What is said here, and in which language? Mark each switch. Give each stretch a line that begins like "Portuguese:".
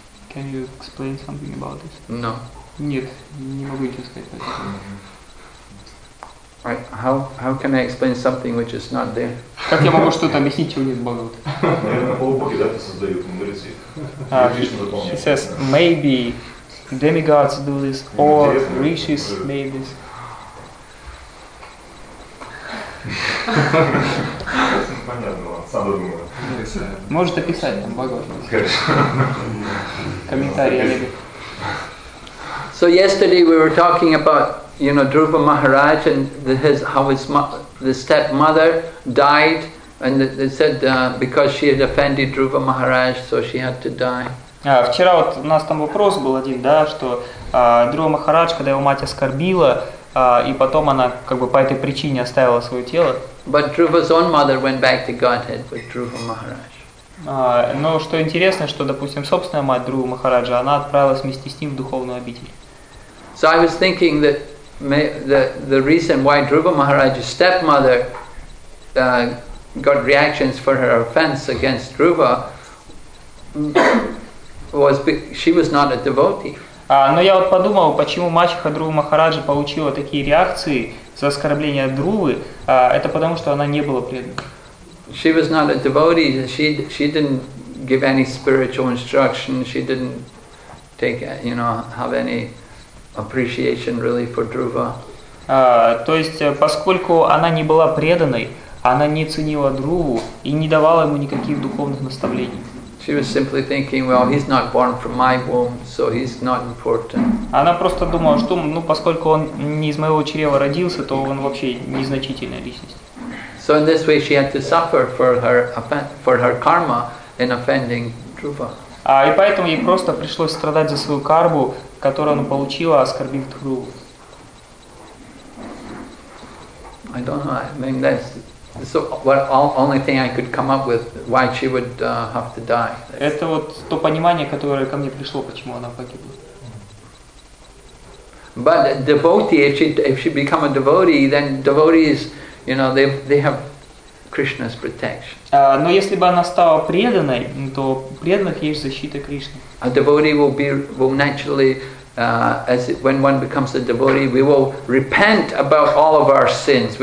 English: Can you explain something about this? No.
Russian: Нет, не могу ничего сказать.
English: Right, how can I explain something which is not there?
Russian: Как я могу что-то объяснить, чего нет в Бхагаватам? Наверное, полубоги, да, это создают мудрецы.
English: He says, maybe demigods do this, or rishis made this.
Russian: Понятно вам. сам думаю. Может описать там Бхагаватам. Хорошо. Комментарии Олега.
English: So yesterday we were talking about, you know, Dhruva Maharaj and his, how his the stepmother died, and they said because she had offended Dhruva Maharaj, so she had to die.
Russian: А вчера вот у нас там вопрос был один, да, что Друва Махарадж, когда его мать оскорбила, и потом она как бы по этой причине оставила свое тело.
English: But Dhruva's own mother went back to Godhead with Dhruva Maharaj.
Russian: Но что интересно, что, допустим, собственная мать Друва Махараджа, она отправилась вместе с ним в духовную обитель.
English: So I was thinking that the reason why Dhruva Maharaj's stepmother got reactions for her offense against Dhruva was she was not a devotee.
Russian: Но я вот подумал, почему мачеха Друва Махараджа получила такие реакции за оскорбление Друвы, это потому, что она не была преданной.
English: She was not a devotee. She didn't give any spiritual instruction. She didn't take, you know, have any appreciation really for Dhruva.
Russian: То есть, поскольку она не была преданной, она не ценила Друву и не давала ему никаких духовных наставлений.
English: She was simply thinking, well, he's not born from my womb, so he's not important.
Russian: Она просто думала, что, ну, поскольку он не из моего чрева родился, то он вообще незначительная личность.
English: So in this way, she had to suffer for her karma in offending Dhruva.
Russian: И поэтому ей просто пришлось страдать за свою карму, которую она получила, оскорбив Дхруву.
English: I don't know. I mean, that's so. What only thing I could come up with why she would have to die.
Russian: Это вот то понимание, которое ко мне пришло, почему она погибла.
English: But a devotee, if she become a devotee, then devotees, you know, they have Krishna's protection.
Russian: Но если бы она стала преданной, то преданных есть защита Кришны.
English: A devotee will naturally, as it, when one becomes a devotee, we will repent about all of our sins.